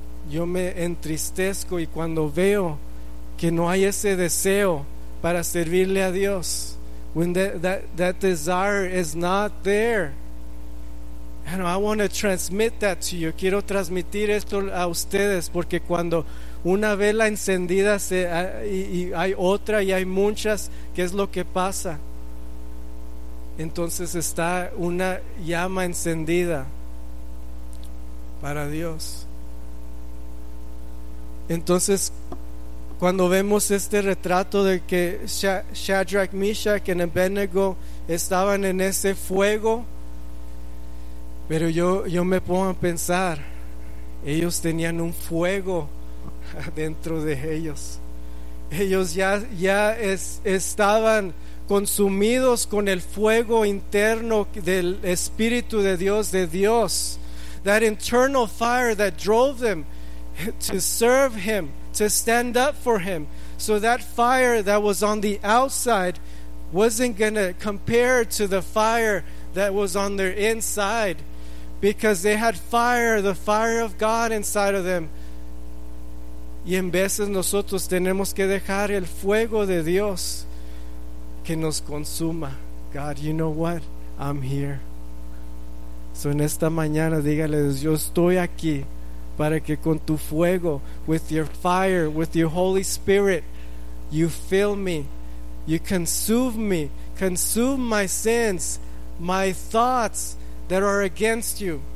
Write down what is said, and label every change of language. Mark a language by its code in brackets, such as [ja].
[es] Yo me entristezco y cuando veo que no hay ese deseo para servirle a Dios, [en] when that desire is not there. And I want to transmit that to you. [es] Quiero transmitir esto a ustedes, porque cuando una vela encendida y hay otra y hay muchas, ¿qué es lo que pasa? Entonces está una llama encendida para Dios. Entonces, cuando vemos este retrato de que Shadrach, Meshach y Abednego estaban en ese fuego, pero yo me pongo a pensar, ellos tenían un fuego dentro de ellos. Ellos ya estaban consumidos con el fuego interno del Espíritu de Dios, de Dios. [en] That internal fire that drove them to serve him, to stand up for him. So that fire that was on the outside wasn't going to compare to the fire that was on their inside, because they had fire, the fire of God inside of them. [es] Y en veces nosotros tenemos que dejar el fuego de Dios que nos consuma. [en] God, you know what? I'm here. So [es] en esta mañana dígale a Dios, yo estoy aquí para que con tu fuego, [en] with your fire, with your Holy Spirit, you fill me, you consume me, consume my sins, my thoughts that are against you.